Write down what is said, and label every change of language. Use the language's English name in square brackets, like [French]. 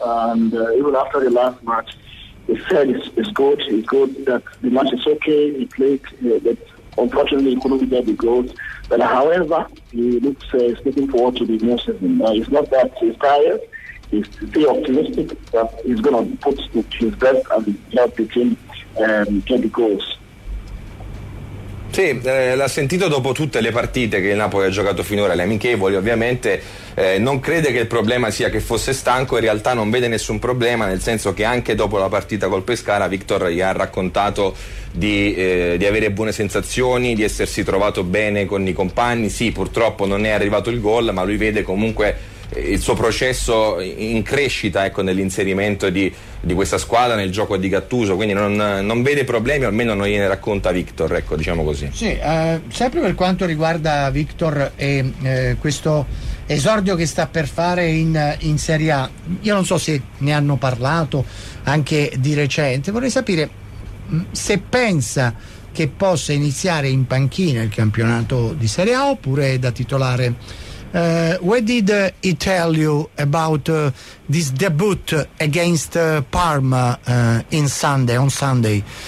[English] And even after the last match, he said it's good that the match is okay, he played, but unfortunately he couldn't get the goals. But however, he looks, he's looking forward to the new season. It's not that he's tired, he's still optimistic that he's going to put his best and help the team get the goals. [Italian] Sì, l'ha sentito dopo tutte le partite che il Napoli ha giocato finora, le amichevoli ovviamente. Non crede che il problema sia che fosse stanco, in realtà non vede nessun problema, nel senso che anche dopo la partita col Pescara Victor gli ha raccontato di avere buone sensazioni, di essersi trovato bene con i compagni. Sì, purtroppo non è arrivato il gol, ma lui vede comunque il suo processo in crescita, ecco, nell'inserimento di questa squadra nel gioco di Gattuso, quindi non vede problemi, almeno non gliene racconta Victor, ecco, diciamo così. Sì, sempre per quanto riguarda Victor e questo esordio che sta per fare in Serie A, io non so se ne hanno parlato anche di recente, vorrei sapere se pensa che possa iniziare in panchina il campionato di Serie A oppure da titolare. [English] Where did he tell you about this debut against Parma on Sunday?